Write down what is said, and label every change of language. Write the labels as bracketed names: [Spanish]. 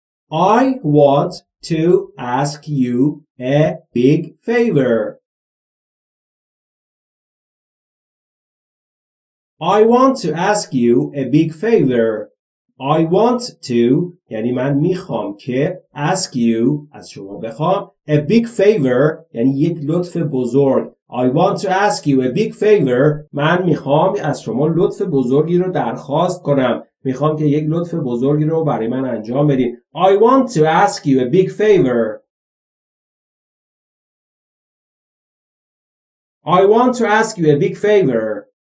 [English] I want to ask you a big favor. I want to ask you a big favor. I want to [Persian] یعنی من میخوام که [English] ask you [Persian] از شما بخوام [English] a big favor [Persian] یعنی یک لطف بزرگ. [English] I want to ask you a big favor. [Persian] من میخوام از شما لطف بزرگی رو درخواست کنم. میخوام که یک لطف بزرگی رو برای من انجام بدین. [English] I want to ask you a big favor. I want to ask you a big favor.